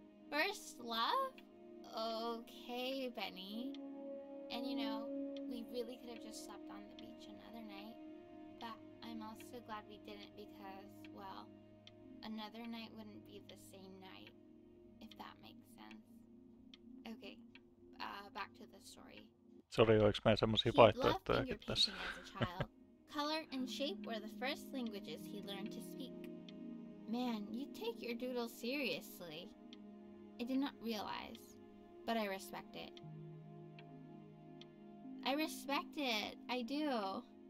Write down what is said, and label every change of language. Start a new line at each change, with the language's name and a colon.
English: First love? Okay, Benny. And you know, we really could have just slept on the beach another night. But I'm also glad we didn't because, well, another night wouldn't be the same night, if that makes sense. Okay, back to the story.
Finnish: Sorry, oliks mä semmosia vaihtoehtoja tässä.
English: Color and shape were the first languages he learned to speak. Man, you take your doodle seriously. I did not realize, but I respect it. I respect it. I do.